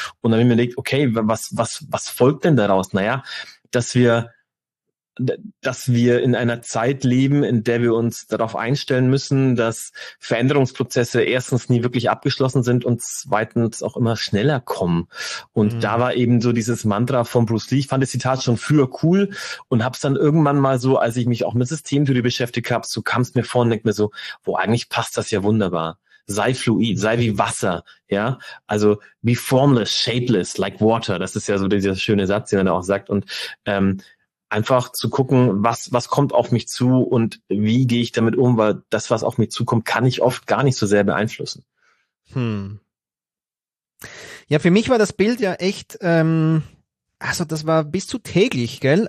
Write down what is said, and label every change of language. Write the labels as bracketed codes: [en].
[de] Und dann habe ich mir gedacht, okay, was folgt denn daraus? Naja, dass wir in einer Zeit leben, in der wir uns darauf einstellen müssen, dass Veränderungsprozesse erstens nie wirklich abgeschlossen sind und zweitens auch immer schneller kommen. Und da war eben so dieses Mantra von Bruce Lee. Ich fand das Zitat schon früher cool und habe es dann irgendwann mal so, als ich mich auch mit Systemtheorie beschäftigt habe, so kam es mir vor und denk mir so, wo eigentlich passt das ja wunderbar. Sei fluid, sei wie Wasser, ja. Also [en] be formless, shapeless, like water. [de] Das ist ja so dieser schöne Satz, den er auch sagt. Und einfach zu gucken, was kommt auf mich zu und wie gehe ich damit um, weil das, was auf mich zukommt, kann ich oft gar nicht so sehr beeinflussen. Ja, für mich war das Bild ja echt, also das war bis zu täglich, gell?